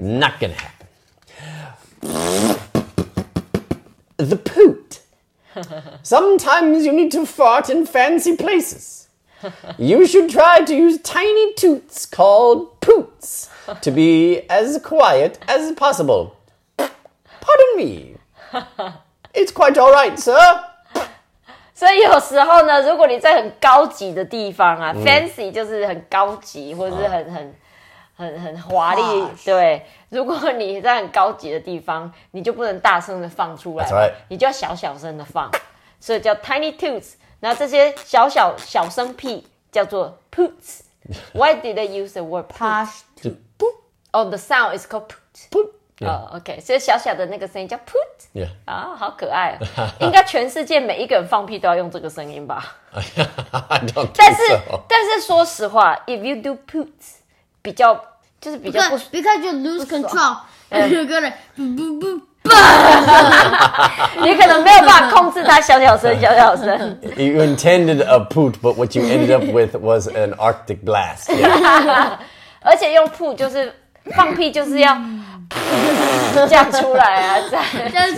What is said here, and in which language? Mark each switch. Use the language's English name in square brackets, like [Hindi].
[English] Not gonna happen. The poot. Sometimes you need to fart in fancy places. You should try to use tiny toots called poots to be as quiet as possible. Pardon me. It's quite all right, sir. [Chinese] 所以有时候呢，如果你在很高级的地方啊， fancy 就是很高级或者是很华丽， 对。如果你在很高级的地方，你就不能大声的放出来，你就要小小声的放， 所以叫tiny toots， 然后这些小小小声屁叫做 poots。 [English] Why did they use the word poots? Oh, the sound is called poot. Poot. Yeah. Oh, okay. [Chinese] 所以小小的那个声音叫 poot. [English] Yeah. [Chinese] 啊，好可爱哦。应该全世界每一个人放屁都要用这个声音吧。 [English] I don't think so. [Chinese] 但是说实话， [English] if you do poots, [Chinese] 比较 [English] Because you lose control, you're gonna boom boom boom. [Chinese] 你可能没有办法控制它小小声小小声。 [English] You intended a poot, but what you ended up with was an arctic blast. Yeah. [Chinese] 而且用 poot 就是放屁就是要 这样出来啊，这样